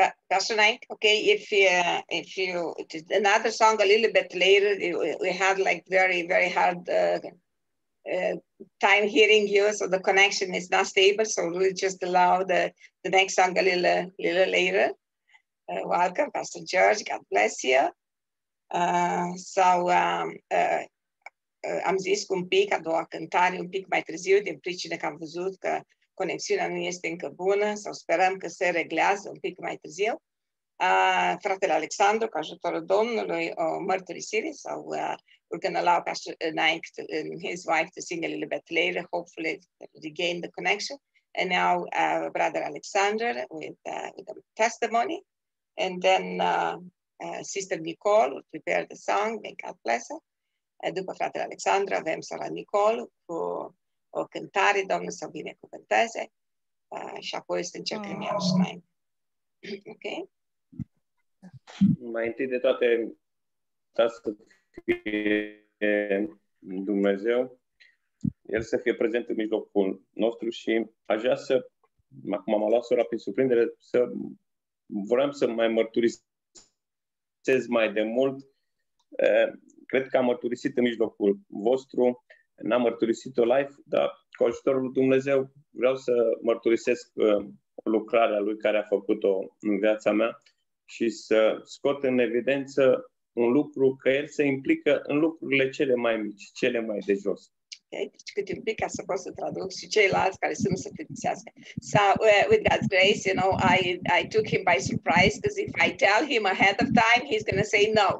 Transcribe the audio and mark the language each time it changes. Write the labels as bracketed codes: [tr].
[en] Pastor Knight, okay, if you, it is another song a little bit later, we had like very, very hard time hearing you, so the connection is not stable, so we'll just allow the next song a little, little later. Welcome, Pastor George, God bless you. [ro] Am zis cu un pic, a doua cântare, un pic mai târziu, din pricina că am văzut că conexiunea nu este încă bună, sau sperăm că se reglează un pic mai târziu. Fratele Alexandru, cu ajutorul Domnului, o mărturisire, sau [en] we're going to allow Pastor Naik and his wife to sing a little bit later, hopefully regain the connection. And now Brother Alexander with a testimony. And then Sister Nicole will prepare the song, may God bless her. [ro] După fratele Alexandru avem sora Nicole cu o cântare, Domnul să binecuvânteze, și apoi să începem iar și mai. Ok? Mai întâi de toate, ca să fie Dumnezeu, El să fie prezent în mijlocul nostru și aș vrea să, acum m-a luat sora prin surprindere, să vreau să mai mărturisez mai de mult. Cred că am mărturisit în mijlocul vostru, n-am mărturisit-o live, dar cu ajutorul lui Dumnezeu vreau să mărturisesc lucrarea Lui care a făcut-o în viața mea și să scot în evidență un lucru, că El se implică în lucrurile cele mai mici, cele mai de jos. Okay, deci cât un pic ca să pot să traduc și ceilalți care să nu se plictisească. [en] So, with God's grace, you know, I took him by surprise because if I tell him ahead of time, he's going to say no.